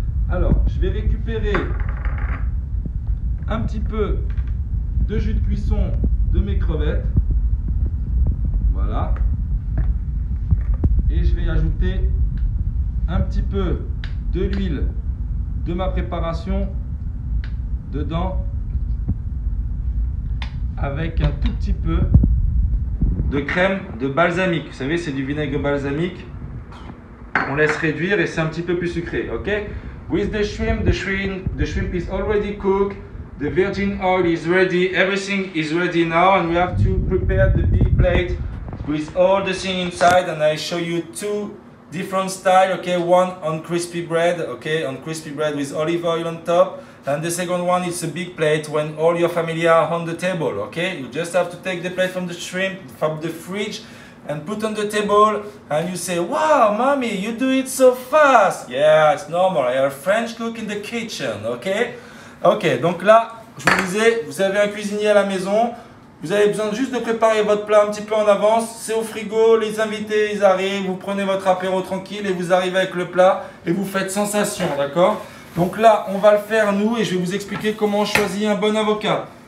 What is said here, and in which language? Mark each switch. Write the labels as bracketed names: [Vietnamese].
[French] Alors, je vais récupérer un petit peu de jus de cuisson de mes crevettes, voilà, et je vais ajouter un petit peu de l'huile de ma préparation dedans avec un tout petit peu de crème de balsamique. Vous savez, c'est du vinaigre balsamique, on laisse réduire et c'est un petit peu plus sucré, ok. [English] With the shrimp is already cooked. The virgin oil is ready, everything is ready now, and we have to prepare the big plate with all the things inside. And I show you two different styles, okay? One on crispy bread, okay? On crispy bread with olive oil on top. And the second one is a big plate when all your family are on the table, okay? You just have to take the plate from the shrimp, from the fridge, and put on the table. And you say, wow, mommy, you do it so fast. Yeah, it's normal. I have a French cook in the kitchen, okay? [French] Ok, donc là, je vous disais, vous avez un cuisinier à la maison, vous avez besoin juste de préparer votre plat un petit peu en avance, c'est au frigo, les invités, ils arrivent, vous prenez votre apéro tranquille et vous arrivez avec le plat et vous faites sensation, d'accord. Donc là, on va le faire nous et je vais vous expliquer comment choisir un bon avocat.